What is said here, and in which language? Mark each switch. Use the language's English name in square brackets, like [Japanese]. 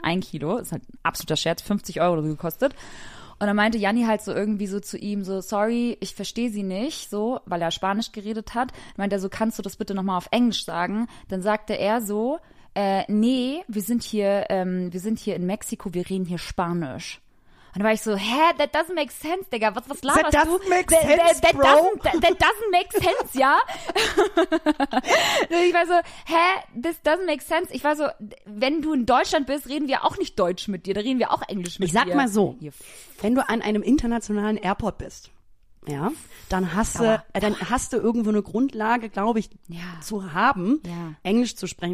[German] 1 Kilo, ist halt ein absoluter Scherz, 50 Euro gekostet. Und dann meinte Janni halt so irgendwie so zu ihm so, sorry, ich verstehe sie nicht, so, weil er Spanisch geredet hat. Meinte er so, kannst du das bitte nochmal auf Englisch sagen? Dann sagte er so, nee, wir sind hier in Mexiko, wir reden hier Spanisch. Und dann war ich so, hä, [English] that doesn't make sense, [German] Digga, was laberst du? [English] That doesn't make sense, bro. That doesn't make sense, ja? [German] Ich war so, hä, [English] this doesn't make sense. [German] Ich war so, wenn du in Deutschland bist, reden wir auch nicht Deutsch mit dir, da reden wir auch Englisch mit dir. Ich sag mal so. Wenn du an einem internationalen Airport bist, ja, dann hast du irgendwo eine Grundlage, glaube ich, zu haben, Englisch zu sprechen.